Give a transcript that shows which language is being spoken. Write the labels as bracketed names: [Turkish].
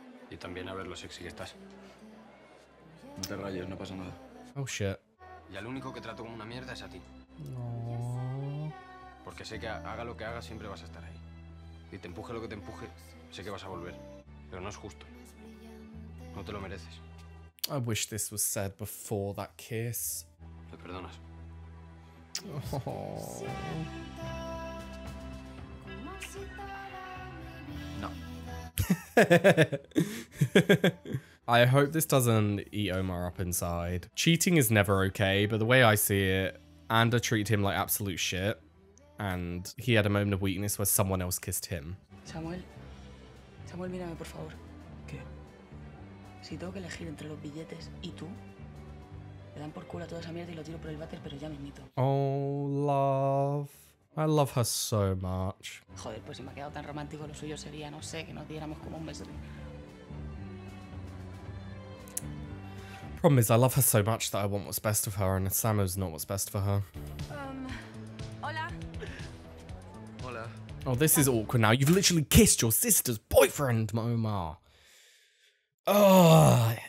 [Spanish] Y también a ver lo sexy que estás. No te rayes, no pasa nada. [English] Oh shit. [Spanish] Y al único que trato como una mierda es a ti. No. Porque sé que haga lo que haga, siempre vas a estar ahí. Y te empuje lo que te empuje, sé que vas a volver. Pero no es justo. No te lo mereces. [English] I wish this was said before that kiss. [Spanish] ¿Me perdonas? Oh. No. [English] I hope this doesn't eat Omar up inside. Cheating is never okay, but the way I see it, Ander treated him like absolute shit. And he had a moment of weakness where someone else kissed him. [Spanish] Samuel. Samuel, mírame, por favor. ¿Qué? Si tengo que elegir entre los billetes y tú, me dan por culo a toda esa mierda y lo tiro por el váter, pero ya me mito. [English] Oh, love. I love her so much. [Spanish] Joder, pues si me ha quedado tan romántico, lo suyo sería, no sé, que nos diéramos como un beso. [English] Problem is, I love her so much that I want what's best of her, and Samuel's not what's best for her. Oh, this is awkward now. You've literally kissed your sister's boyfriend, Omar. Ugh.